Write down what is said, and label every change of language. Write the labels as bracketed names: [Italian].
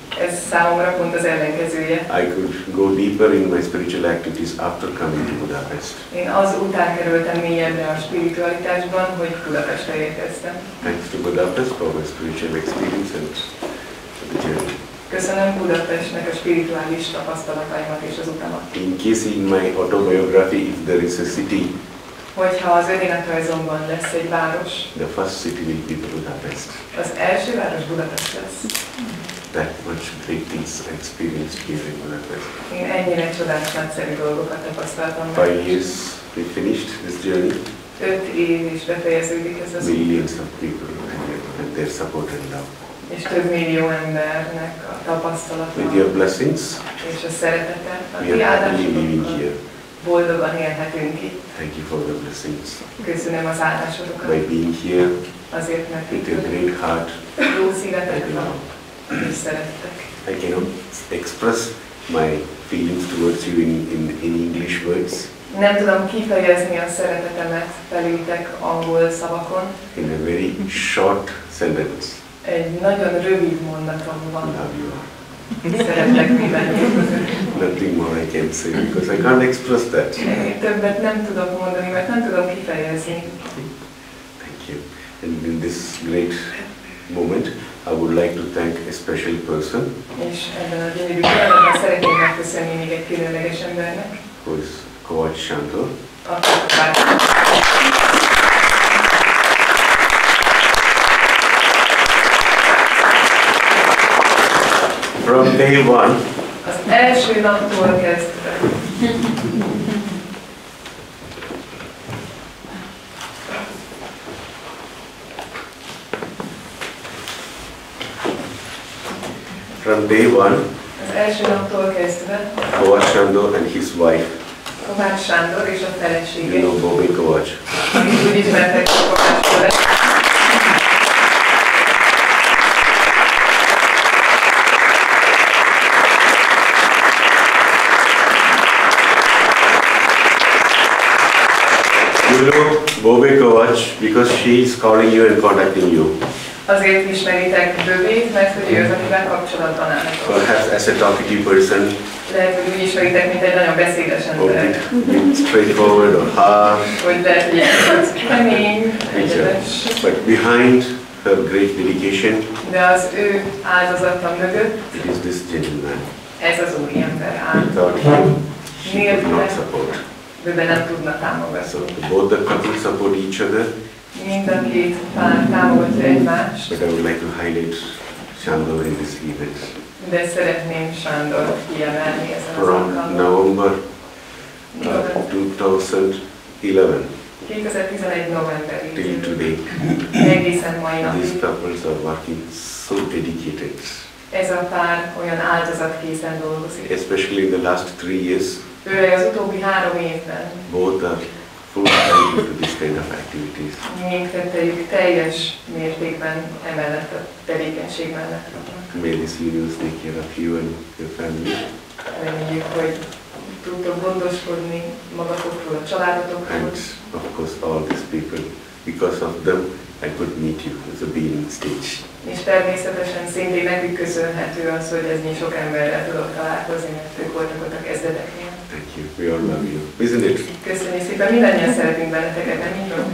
[Hungarian] Ez számomra pont az ellenkezője. [English] I could go deeper in my spiritual activities after coming to Budapest. [Hungarian] Én az után kerültem mélyebbre a spiritualitásban, hogy Budapestre érkeztem. [English] Thanks to Budapest for my spiritual experience and the journey. [Hungarian] Köszönöm Budapestnek a spirituális tapasztalataimat és az utamat. [English] In case in my autobiography, if there is a city, [Hungarian] hogyha az önéletrajzomban lesz egy város. [English] The first city will be Budapest. [Hungarian] Az első város Budapest lesz. [English] That much great things I experienced here in Budapest. [Hungarian] Én ennyire csodás, nagyszerű dolgokat tapasztaltam. [English] 5 years we finished this journey. [Hungarian] 5 év is befejeződik ez az. [English] Millions of people and their support and love. [Hungarian] És több millió embernek a tapasztalata. [English] With your blessings. [Hungarian] És a szeretete. [English] We are happily living here. [Hungarian] Boldogan élhetünk itt. [English] Thank you for the blessings. [Hungarian] Köszönöm az áldásodokat. [English] By being here. [Hungarian] Azért, mert [English] with your great heart. [Hungarian] Jó szívetek van. És szerettek. [English] I cannot express my feelings towards you in English words. [Hungarian] Nem tudom kifejezni a szeretetemet felétek angol szavakon. [English] In a very short sentence. [Hungarian] Egy nagyon rövid mondatom van. [English] Love you. [Hungarian] Szeretlek mi benne. [English] Nothing more I can say because I can't express that. [Hungarian] Többet nem tudok mondani, mert nem tudom kifejezni. [English] Thank you. And in this great moment, I would like to thank a special person. [Hungarian] És ebben a gyönyörű pillanatban szeretném megköszönni még egy különleges embernek. [English] Who is Kovács Sándor. From day one. [Hungarian] Az első naptól kezdve. [English] From day one, [Hungarian] az első naptól kezdve, [English] Kovács Sándor and his wife. [Hungarian] Kovács Sándor és a felesége. [English] You know Bobby Kovács. [Hungarian] Ismertek Kovács Sándor. [English] You know Bobby Kovács because she is calling you and contacting you. [Hungarian] Azért ismeritek Bőbét, mert hogy ő az, akivel kapcsolatban állhatok. [English] Perhaps as a talkative person. [Hungarian] Lehet, hogy úgy ismeritek, mint egy nagyon beszédes ember. [English] Straightforward or harsh. [Hungarian] Hogy lehet, hogy ilyen kemény, egyedes. [English] But behind her great dedication. [Hungarian] De az ő áldozata mögött. [English] It is this gentleman. [Hungarian] ez az úriember áll. [English] Without him, she could not support. [Hungarian] Bőben nem tudna támogatni. [English] So both the couple support each other. [Hungarian] Mind a két pár támogatja egymást. [English] But I would like to highlight Sándor in this event. [Hungarian] De szeretném Sándor kiemelni ezen [English] from [Hungarian] az alkalommal. [English] November 2011. [Hungarian] 2011. novemberig. [English] Till today. [Hungarian] Egészen mai napig. [English] These couples are working so dedicated. [Hungarian] Ez a pár olyan áldozatkészen dolgozik. [English] Especially in the last 3 years. [Hungarian] Főleg az utóbbi 3 évben. [English] Both are full-time into this kind of activities. [Hungarian] Mindkettőjük teljes mértékben emellett a tevékenység mellett. [English] May this series take care of you and your family. [Hungarian] Reméljük, hogy tudtok gondoskodni magatokról, a családotokról. [English] And of course all these people, because of them, I could meet you as a being stage. [Hungarian] És természetesen szintén nekik köszönhető az, hogy ez mi sok emberrel tudok találkozni, mert ők voltak ott a kezdeteknél. [English] Thank you. We all love you. Isn't it? [Hungarian] Köszönjük szépen. Mindannyian szeretünk benneteket, nem így